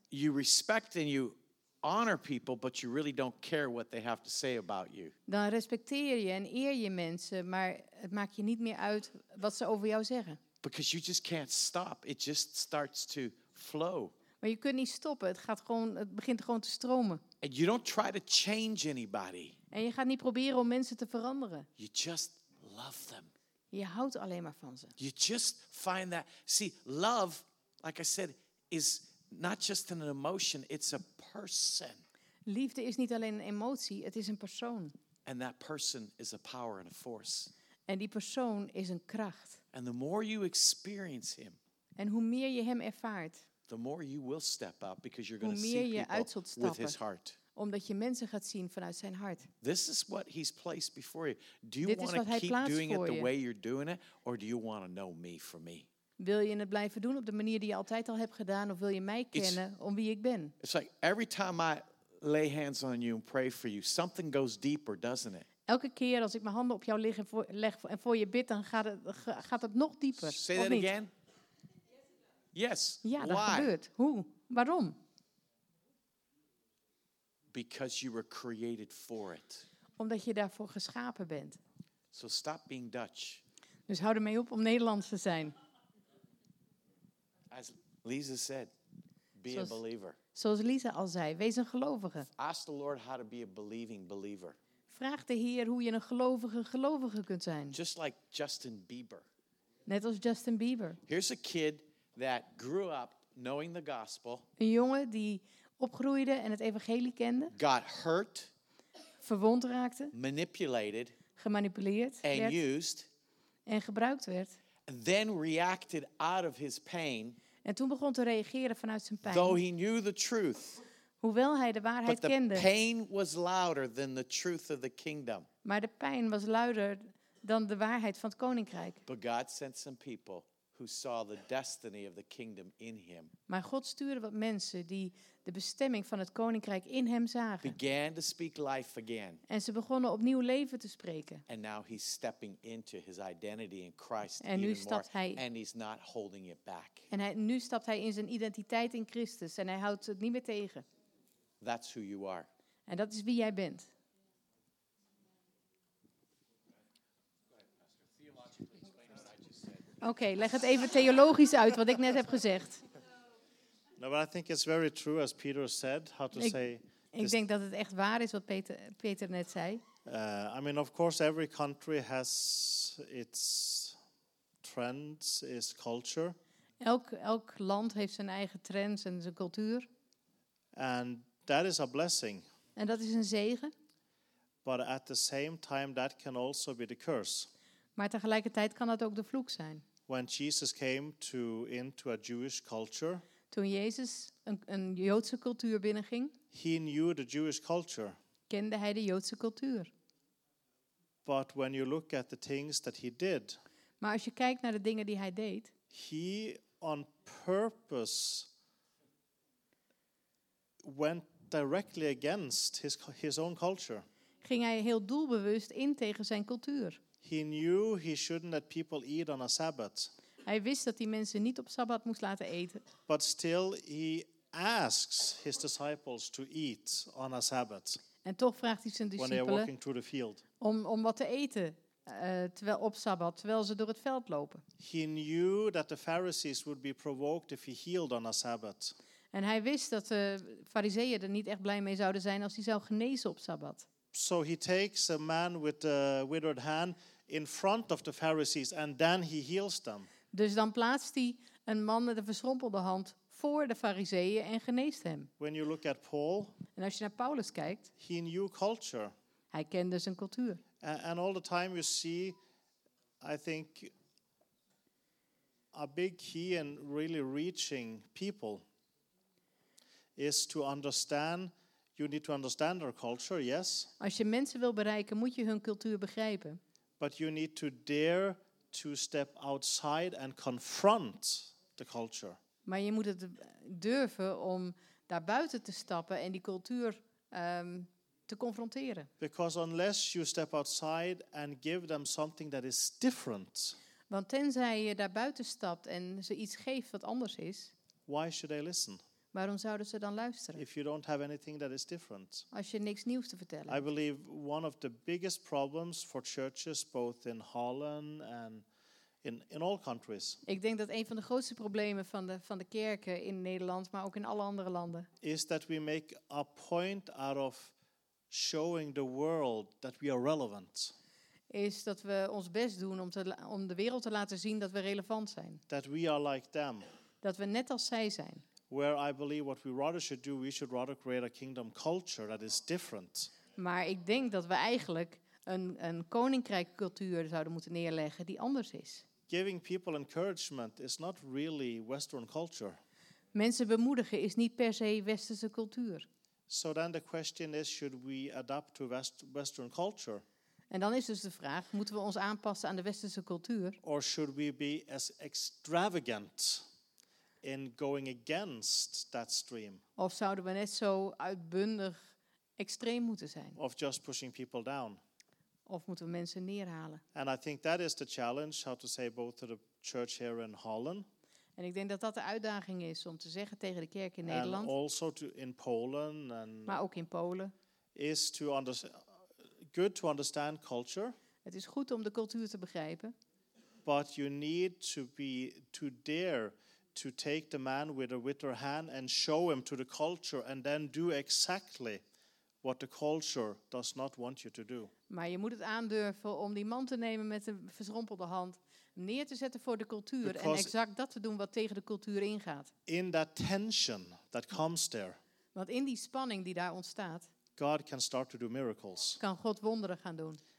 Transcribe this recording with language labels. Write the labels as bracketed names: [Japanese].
[English] you respect and you honor people, but you really don't care what they have to say about you. [Dutch] Dan respecteer je en eer je mensen, maar het maakt je niet meer uit wat ze over jou zeggen. [English] Because you just can't stop. It just starts to flow. [Dutch] Maar je kunt niet stoppen. Het begint gewoon te stromen. [English] And you don't try to change anybody. [Dutch] En je gaat niet proberen om mensen te veranderen. [English] You just love them. [Dutch] Je houdt alleen maar van ze. [English] You just find that. See, love, like I said, is not just an emotion, it's a person. [Dutch] Liefde is niet alleen een emotie, het is een persoon. [English] And that person is a power and a force. [Dutch] En die persoon is een kracht. [English] And the more you experience him, [Dutch] en hoe meer je hem ervaart, [English] the more you will step out because you're going to see people with his heart. [Dutch] Omdat je mensen gaat zien vanuit zijn hart. [English] This is what he's placed before you. Do you want to keep doing it the way you're doing it, or do you want to know me for me? [Dutch] Wil je het blijven doen op de manier die je altijd al hebt gedaan, of wil je mij kennen om wie ik ben? [English] It's like every time I lay hands on you and pray for you, something goes deeper, doesn't it? [Dutch] Elke keer als ik mijn handen op jou leg en voor je bid, dan gaat het nog dieper. [English] Say that again. Yes. [Dutch] Ja, dat gebeurt. Hoe? Waarom? [English] Because you were created for it. [Dutch] Omdat je daarvoor geschapen bent. [English] So stop being Dutch. [Dutch] Dus hou ermee op om Nederlands te zijn. [English] As Lisa said, be a believer. [Dutch] Zoals Lisa al zei, wees een gelovige. [English] Ask the Lord how to be a believing believer. [Dutch] Vraag de Heer hoe je een gelovige kunt zijn. [English] Just like Justin Bieber. [Dutch] Net als Justin Bieber. [English] Here's a kid that grew up knowing the gospel. [Dutch] Een jongen die opgroeide en het evangelie kende. [English] Got hurt. [Dutch] Verwond raakte. [English] Manipulated. [Dutch] Gemanipuleerd. [English] And [Dutch] werd, [English] used. [Dutch] En gebruikt werd. [English] Then reacted out of his pain. [Dutch] En toen begon te reageren vanuit zijn pijn. [English] Though he knew the truth. [Dutch] Hoewel hij de waarheid kende. [English] But the pain was louder than the truth of the kingdom. [Dutch] Maar de pijn was luider dan de waarheid van het koninkrijk. [English] But God sent some people who saw the destiny of the kingdom in him. [Dutch] Maar God stuurde wat mensen die de bestemming van het koninkrijk in hem zagen. [English] Began to speak life again. [Dutch] En ze begonnen opnieuw leven te spreken. [English] And now he's stepping into his identity in Christ. [Dutch] En nu stapt hij. [English] And he's not holding it back. [Dutch] En nu stapt hij in zijn identiteit in Christus en hij houdt het niet meer tegen. [English] That's who you are. [Dutch] En dat is wie jij bent. Oké, leg het even theologisch uit wat ik net heb gezegd. [English] No, but I think it's very true, as Peter said, how to say. [Dutch] Ik denk dat het echt waar is wat Peter net zei. [English] I mean, of course, every country has its trends, its culture. [Dutch] Elk land heeft zijn eigen trends en zijn cultuur. [English] And that is a blessing. [Dutch] En dat is een zegen. [English] But at the same time, that can also be the curse. [Dutch] Maar tegelijkertijd kan dat ook de vloek zijn. [English] When Jesus came into a Jewish culture. [Dutch] Toen Jezus een Joodse cultuur binnenging. [English] He knew the Jewish culture. [Dutch] Kende hij de Joodse cultuur. [English] But when you look at the things that he did. [Dutch] Maar als je kijkt naar de dingen die hij deed. [English] He on purpose went directly against his own culture. [Dutch] Ging hij heel doelbewust in tegen zijn cultuur. [English] He knew he shouldn't let people eat on a Sabbath. [Dutch] Hij wist dat hij mensen niet op Sabbat moest laten eten. [English] But still he asks his disciples to eat on a Sabbath. [Dutch] En toch vraagt hij zijn discipelen. [English] When they are walking through the field. [Dutch] Om wat te eten terwijl op Sabbat, terwijl ze door het veld lopen. [English] He knew that the Pharisees would be provoked if he healed on a Sabbath. [Dutch] En hij wist dat de farizeeën er niet echt blij mee zouden zijn als hij zou genezen op Sabbat. [English] So he takes a man with a withered hand in front of the Pharisees and then he heals them. [Dutch] Dus dan plaatst hij een man met een verschrompelde hand voor de farizeeën en geneest hem. [English] When you look at Paul, [Dutch] en als je naar Paulus kijkt, [English] he knew culture. [Dutch] Hij kende zijn cultuur. [English] And all the time you see, I think, a big key in really reaching people is to understand. You need to understand their culture, yes. [Dutch] Als je mensen wil bereiken, moet je hun cultuur begrijpen. [English] But you need to dare to step outside and confront the culture. [Dutch] Maar je moet het durven om daar buiten te stappen en die cultuur te confronteren. [English] Because unless you step outside and give them something that is different. [Dutch] Want tenzij je daar buiten stapt en ze iets geeft wat anders is. [English] Why should they listen? [Dutch] Waarom zouden ze dan luisteren? [English] If you don't have anything that is different. [Dutch] Als je niks nieuws te vertellen. [English] I believe one of the biggest problems for churches, both in Holland and in all countries. [Dutch] Ik denk dat een van de grootste problemen van de kerken in Nederland, maar ook in alle andere landen, [English] is that we make a point out of showing the world that we are relevant. [Dutch] Is dat we ons best doen om de wereld te laten zien dat we relevant zijn. [English] That we are like them. [Dutch] Dat we net als zij zijn. [English] Where I believe what we rather should do, we should rather create a kingdom culture that is different. [Dutch] Maar ik denk dat we eigenlijk een koninkrijk cultuur zouden moeten neerleggen die anders is. [English] Giving people encouragement is not really Western culture. [Dutch] Mensen bemoedigen is niet per se westerse cultuur. [English] So then the question is, should we adapt to Western culture? [Dutch] En dan is dus de vraag, moeten we ons aanpassen aan de westerse cultuur? [English] Or should we be as extravagant in going against that stream? [Dutch] Of zouden we net zo uitbundig extreem moeten zijn? [English] Of just pushing people down? [Dutch] Of moeten we mensen neerhalen? [English] And I think that is the challenge, how to say, both to the church here in Holland. [Dutch] En ik denk dat dat de uitdaging is om te zeggen tegen de kerk in Nederland. [English] And also to in Poland. And [Dutch] maar ook in Polen. [English] Is to good to understand culture. [Dutch] Het is goed om de cultuur te begrijpen. [English] But you need to be to dare to take the man with a withered hand and show him to the culture and then do exactly what the culture does not want you to do. [Dutch] Maar je moet het aandurven om die man te nemen met een verschrompelde hand, neer te zetten voor de cultuur. [English] Because [Dutch] en exact dat te doen wat tegen de cultuur ingaat. [English] In that tension that comes there. [Dutch] Want in die spanning die daar ontstaat. [English] God can start to do miracles. [Dutch] Kan God wonderen gaan doen.